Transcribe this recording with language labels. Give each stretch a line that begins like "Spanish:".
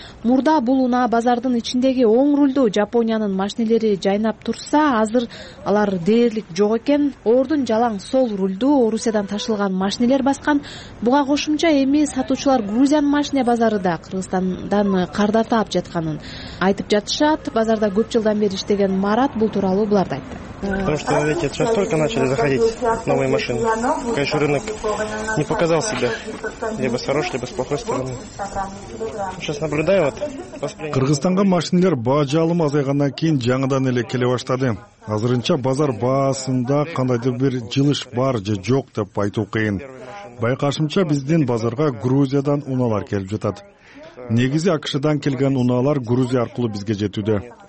Kyrgyz: Мурда бул унаа базардын ичиндеги оң рульдүү Жапониянын машинелери жайнап турса, азыр алар дээрлик жок экен. Оордун жалаң сол рульдүү Орусиядан ташылган машинелер баскан. Буга кошумча эми сатуучулар Грузиянын машине базары да Кыргызстандан кар тартып жатканын айтып жатышат. Базарда көп жылдан бери иштеген Марат бул тууралуу буларды айтты.
Russian: Потому что, видите, сейчас только начали заходить новые машины. Конечно, рынок не показал себя. Либо с хорошей, либо с плохой стороны. Сейчас наблюдаю.
Kyrgyz: Кыргызстанга машинелер бажы алымы азайгандан кийин жаңыдан эле келе баштады. Азырынча базар баасында кандайдыр бир жылыш бар же жок деп айтуу кыйын. Байкашымча биздин базарга Грузиядан унаалар келип жатат. Негизи АКШдан келген унаалар Грузия аркылуу бизге жетүүдө.